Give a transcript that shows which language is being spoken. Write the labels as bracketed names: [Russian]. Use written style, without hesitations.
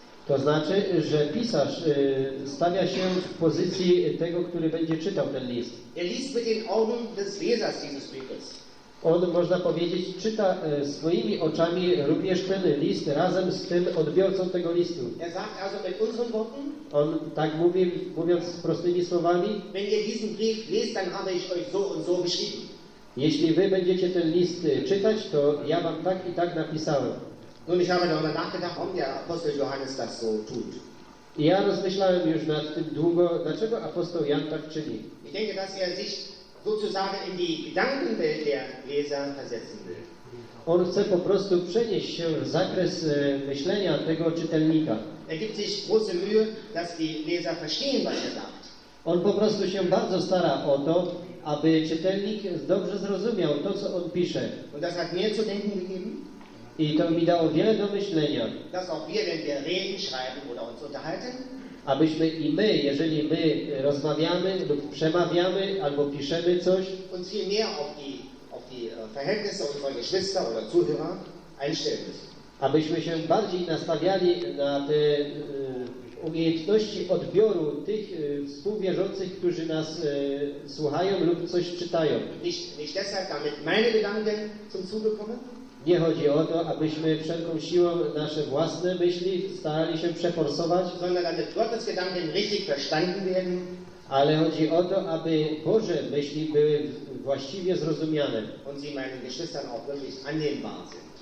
[Polish] To znaczy, że pisarz stawia się w pozycji tego, który będzie czytał ten list. [German] Er liest mit den Augen des Lesers dieses Briefes. [Polish] On, można powiedzieć, czyta swoimi oczami również ten list razem z tym odbiorcą tego listu. [German] Er sagt also mit unseren Worten, [Polish] on tak mówi, mówiąc prostymi słowami. [German] Wenn ihr diesen Brief lest, dann habe ich euch so und so geschrieben. [Polish] Jeśli wy będziecie ten list czytać, to ja wam tak i tak napisałem. [German] Nun, ich habe darüber nachgedacht, warum der Apostel Johannes das so tut. [Polish] I ja rozmyślałem już nad tym długo, dlaczego apostoł Jan tak czyni. [German] Ich denke, dass er sich sozusagen in die Gedankenwelt der Leser versetzen will. [Polish] On chce po prostu przenieść się w zakres myślenia tego czytelnika. [German] Er gibt sich große Mühe, dass die Leser verstehen, was er sagt. [Polish] On po prostu się bardzo stara o to, aby czytelnik dobrze zrozumiał to, co on pisze. [German] Und das hat mir zu denken gegeben. [Polish] I to mi dało wiele do myślenia. [German] Dass auch wir, wenn wir reden, schreiben oder uns unterhalten. [Polish] Abyśmy i my, jeżeli my rozmawiamy lub przemawiamy albo piszemy coś, [German] uns viel mehr auf die Verhältnisse unserer Geschwister oder Zuhörer einstellen müssen. [Polish] abyśmy się bardziej nastawiali na te umiejętności odbioru tych współwierzących, którzy nas słuchają lub coś czytają. [German] Nicht deshalb, damit meine Gedanken zum Zuge kommen? [Polish] Nie chodzi o to, abyśmy wszelką siłą nasze własne myśli starali się przeforsować, [German] sondern damit Gottes Gedanken richtig verstanden werden. [Polish] Ale chodzi o to, aby Boże myśli były właściwie zrozumiane. [German] Und sie meinen Geschwistern auch wirklich annehmbar sind.